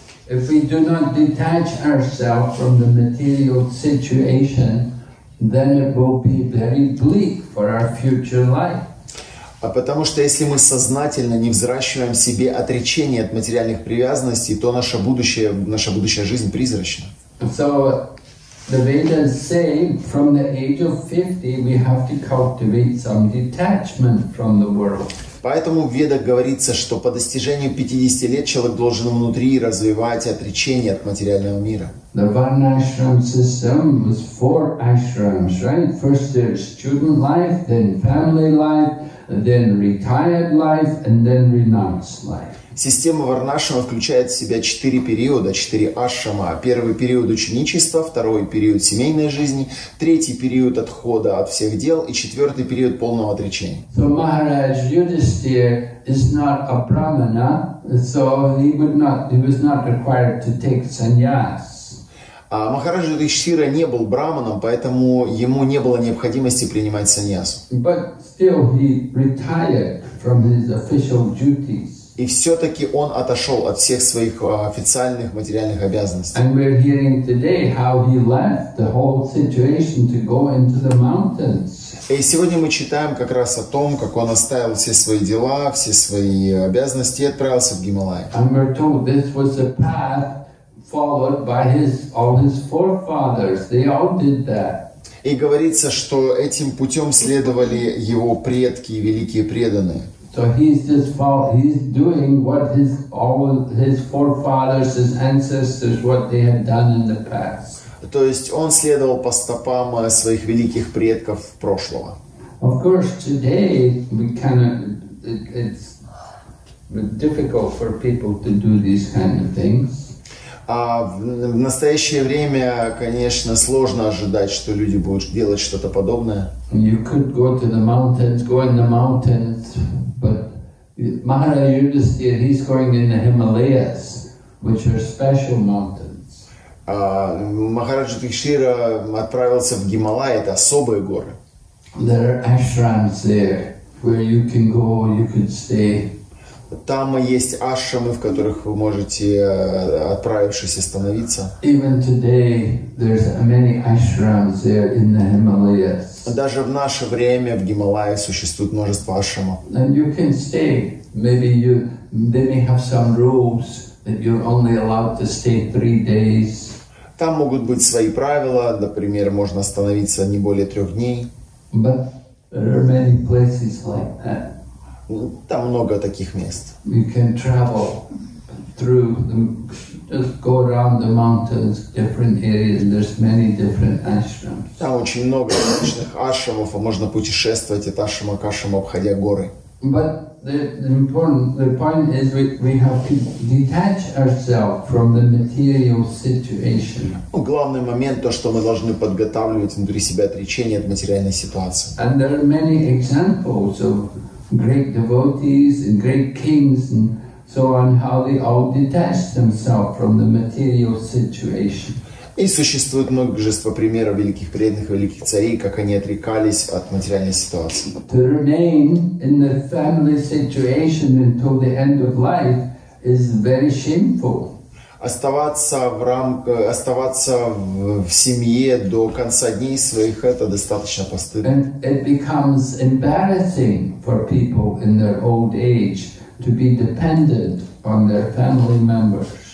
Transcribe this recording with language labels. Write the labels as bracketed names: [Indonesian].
[English] If we do not detach ourselves from the material situation, then it will be very bleak for our future life. [Russian] А потому что если мы сознательно не взращиваем себе отречение от материальных привязанностей, то наша будущая жизнь призрачна. [English] So the Vedas say from the age of 50 we have to cultivate some detachment from the world. [Russian] Поэтому в Ведах говорится, что по достижению 50 лет человек должен внутри развивать отречение от материального мира. [English] The Varnashram system was four ashrams, right? First there's student life, then family life, then retired life, and then renounced life. [Russian] Система Варнашрама включает в себя четыре периода, четыре ашрама. Первый период ученичества, второй период семейной жизни, третий период отхода от всех дел и четвертый период полного отречения. [English] So Maharaj Yudhisthira is not a brahmana, so he was not required to take sannyas. [Russian] А Махарадж Юдхиштхира не был брахманом, поэтому ему не было необходимости принимать саньясу. [English] But still he retired from his official duties. [Russian] И все-таки он отошел от всех своих официальных материальных обязанностей. [English] And we're hearing today how he left the whole situation to go into the mountains. [Russian] И сегодня мы читаем как раз о том, как он оставил все свои дела, все свои обязанности и отправился в Гималаи. [English] And we're told this was a path followed by all his forefathers. They all did that. [Russian] И говорится, что этим путем следовали его предки и великие преданные. [English] So he's doing what all his forefathers, his ancestors, what they had done in the past. [Russian] То есть он следовал по стопам своих великих предков прошлого. [English] Of course, today we cannot. It's difficult for people to do these kind of things. [Russian] В настоящее время, конечно, сложно ожидать, что люди будут делать что-то подобное. [English] You could go to the mountains, go in the mountains, but Maharaj Yudhisthira, he's going in the Himalayas, which are special mountains. [Russian] Махараджа Юдхиштхира отправился в Гималаи, это особые горы. [English] There are ashrams there where you can go, you could stay. [Russian] Там есть ашрамы, в которых вы можете, отправившись, остановиться. [English] Even today, there's many ashrams there in the Himalayas. [Russian] Даже в наше время в Гималае существует множество ашрамов. [English] And you can stay. They may have some rules that you're only allowed to stay 3 days. [Russian] Там могут быть свои правила, например, можно остановиться не более 3 дней. [English] But there are many places like that. [Russian] Там много таких мест. [English] You can travel through them, just go around the mountains, different areas, and there's many different ashrams. [Russian] Там очень много различных ашрамов, а можно путешествовать от ашрама к ашраму, обходя горы. [English] But the point is we have to detach ourselves from the material situation. [Russian] Ну, главный момент то, что мы должны подготавливать внутри себя отречение от материальной ситуации. [English] And there are many examples of great devotees and great kings and so on, how they all detached themselves from the material situation. [Russian] И существует множество примеров великих преданных, великих царей, как они отрекались от материальной ситуации. [English] To remain in the family situation until the end of life is very shameful. [Russian] Оставаться в семье до конца дней своих — это достаточно постыдно. [English] And it becomes embarrassing for people in their old age to be dependent on their family members.